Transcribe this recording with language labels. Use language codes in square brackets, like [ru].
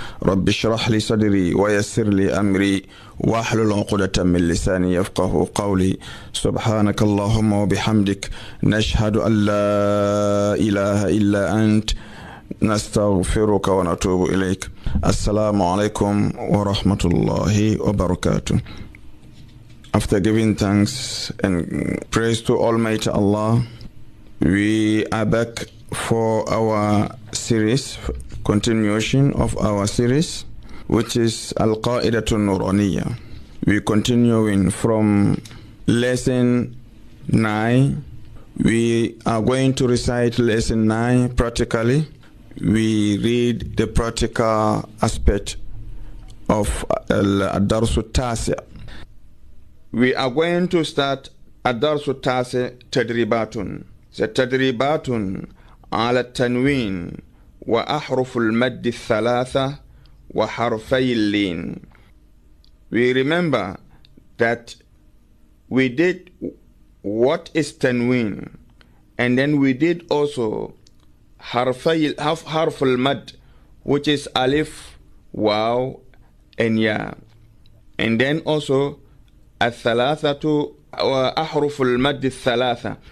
[ar] رب اشرح لي صدري ويسر لي أمري واحلل عقدة من لساني يفقه قولي سبحانك اللهم وبحمدك نشهد أن لا إله إلا أنت نستغفرك ونتوب إليك السلام عليكم ورحمة الله وبركاته. [en] After giving thanks and praise to Almighty Allah, we are back for our series, continuation of our series, which is Al-Qaeda Nuraniya. We continuing from lesson 9. We are going to recite lesson 9 practically. We read the practical aspect of Ad-Darsu Tasi. We are going to start Ad-Darsu Tasi Tadribatun. [ar] The Tadribatun على التنوين وأحرف المد الثلاثة وحرفي اللين. [en] We remember that we did what is tanwin, and then we did also harf al-mad, which is alif, waw, and ya, and then also [ar] al-thalathatu wa ahruf al-mad al-thalatha.